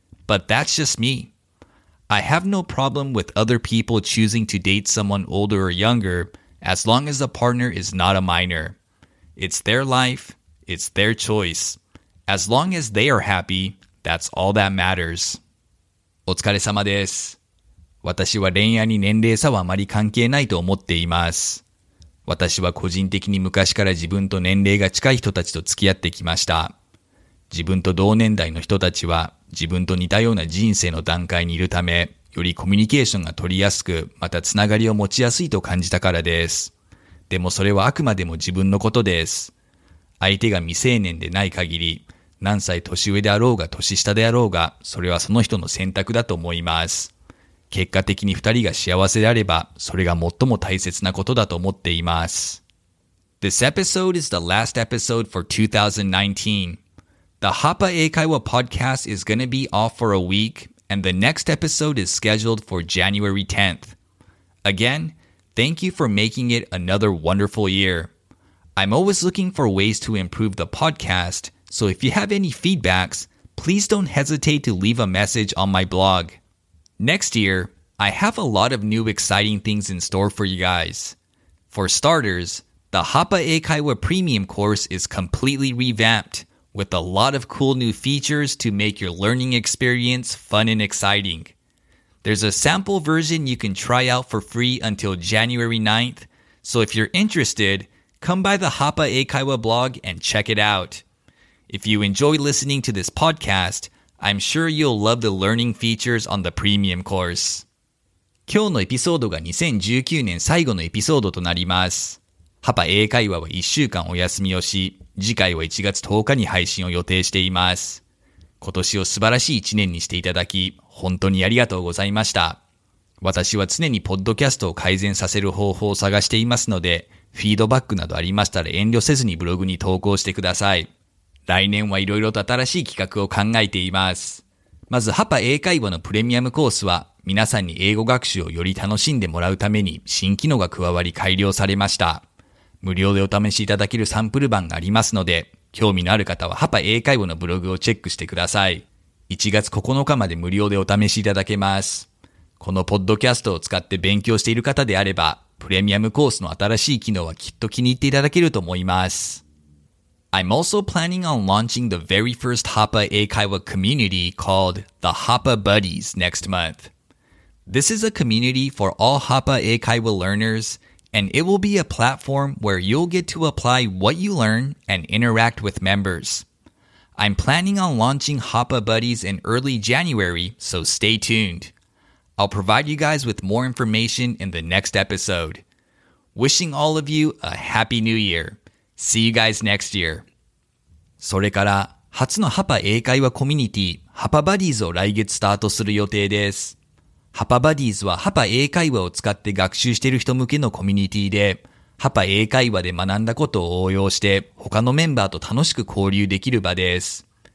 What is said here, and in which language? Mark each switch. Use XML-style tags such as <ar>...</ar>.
<en>But that's just me. I have no problem with other people choosing to date someone older or younger as long as the partner is not a minor. It's their life. It's their choice. As long as they are happy, that's all that matters.</en> <ja>お疲れ様です。私は恋愛に年齢差はあまり関係ないと思っています。私は個人的に昔から自分と年齢が近い人たちと付き合ってきました。自分と同年代の人たちは自分と似たような人生の段階にいるため、よりコミュニケーションが取りやすく、またつながりを持ちやすいと感じたからです。でもそれはあくまでも自分のことです。相手が未成年でない限り、何歳年上であろうが年下であろうが、それはその人の選択だと思います。結果的に二人が幸せであれば、それが最も大切なことだと思っています。</ja> <en>This episode is the last episode for 2019. The Hapa Eikaiwa podcast is going to be off for a week, and the next episode is scheduled for January 10th. Again, thank you for making it another wonderful year. I'm always looking for ways to improve the podcast, so if you have any feedbacks, please don't hesitate to leave a message on my blog. Next year, I have a lot of new exciting things in store for you guys. For starters, the Hapa Eikaiwa Premium course is completely revamped. With a lot of cool new features to make your learning experience fun and exciting. There's a sample version you can try out for free until January 9th, so if you're interested, come by the Hapa Eikaiwa blog and check it out. If you enjoy listening to this podcast, I'm sure you'll love the learning features on the premium course.</en> <ja>今日のエピソードが2019年最後のエピソードとなります。ハパ英会話は1週間お休みをし、次回は1月10日に配信を予定しています。今年を素晴らしい1年にしていただき、本当にありがとうございました。私は常にポッドキャストを改善させる方法を探していますので、フィードバックなどありましたら遠慮せずにブログに投稿してください。来年はいろいろと新しい企画を考えています。まずハパ英会話のプレミアムコースは、皆さんに英語学習をより楽しんでもらうために新機能が加わり改良されました。無料でお試しいただけるサンプル版がありますので、興味のある方はハパ英会話のブログをチェックしてください。 1月9日まで無料でお試しいただけます。このポッドキャストを使って勉強している方であれば、プレミアムコースの新しい機能はきっと気に入っていただけると思います。</ja> <en>I'm also planning on launching the very first Hapa 英会話 community called the Hapa Buddies next month. This is a community for all Hapa 英会話 learners,And it will be a platform where you'll get to apply what you learn and interact with members. I'm planning on launching Hapa Buddies in early January, so stay tuned. I'll provide you guys with more information in the next episode. Wishing all of you a happy new year. See you guys next year.</en> <ja>それから、初のハパ英会話コミュニティ、ハパバディーズを来月スタートする予定です。ハパバディーズはハパ英会話を使って学習している人向けのコミュニティで、ハパ英会話で学んだことを応用して他のメンバーと楽しく交流できる場です。</ja>